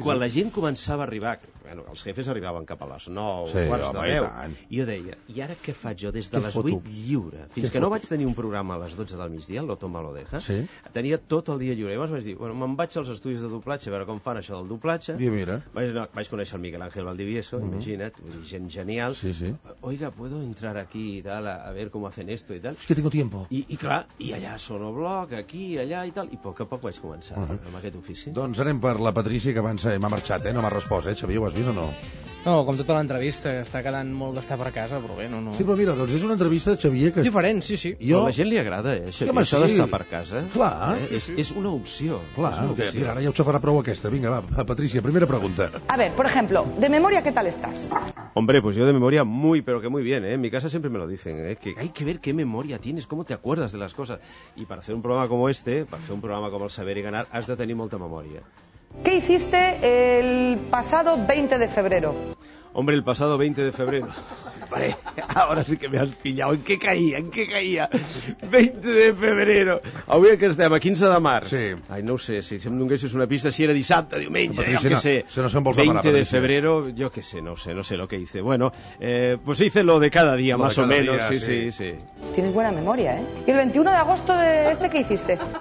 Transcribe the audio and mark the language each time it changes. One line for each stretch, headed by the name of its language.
Catalan: I quan la gent començava a arribar, bueno, els jefes arribaven cap a les 9, quarts de 10, jo deia, i ara què faig jo des de les 8 lliure? Fins que no vaig tenir un programa a les 12 del migdia, lo toma lo deja, tenia tot el dia lliure. Llavors vaig dir, bueno, me'n vaig als estudis de doblatge a veure com fan això del doblatge. I mira. Vaig conèixer el Miguel Ángel Valdivieso, imagina't. Gent genial. Sí.
Spanish: Oiga, ¿puedo entrar aquí y tal a ver cómo hacen esto y tal? Es que tengo tiempo.
Catalan: I clar, i allà sonobloc, aquí, allà i tal, i poc a poc vaig començar amb aquest ofici. Doncs anem per la Patrícia, que abans m'ha marxat, no m'ha respost, Xavier, ho has vist o no? No, com tota l'entrevista, està quedant molt d'estar per casa, però bé, no. Sí, però mira, doncs és una entrevista de Xavier que... Diferent, sí. Jo... A la gent li agrada, Xavier, això d'estar per casa. Clar. És una opció. Clar, ara ja ho xafarà prou aquesta. Vinga, va, Patrícia, primera pregunta.
Spanish: A ver, por ejemplo, de memoria, ¿qué tal estás? Hombre, pues yo de memoria muy, pero que muy bien, En mi casa siempre me lo dicen, Que hay que ver qué memoria tienes, cómo te acuerdas de las cosas. Y para hacer un programa como este, para hacer un programa como El Saber y Ganar, has de tener mucha memoria. ¿Qué hiciste el pasado 20 de febrero? Hombre, el pasado 20 de febrero... Vale, ahora sí que me has pillado. ¿En qué caía? 20 de febrero.
Catalan: Avui que estem, a 15 de març. Sí. Ai, no ho sé, si em donessis una pista, si era dissabte, diumenge, Patrícia, jo què sé. Si no sé on vols
Spanish: 20
Catalan: parar,
Spanish: de febrero,
Catalan: jo què sé,
Spanish: no sé lo que hice. Bueno, pues hice lo de cada día, lo más cada o menos. Día, sí. Tienes buena memoria, ¿Y el 21 de agosto de este qué hiciste?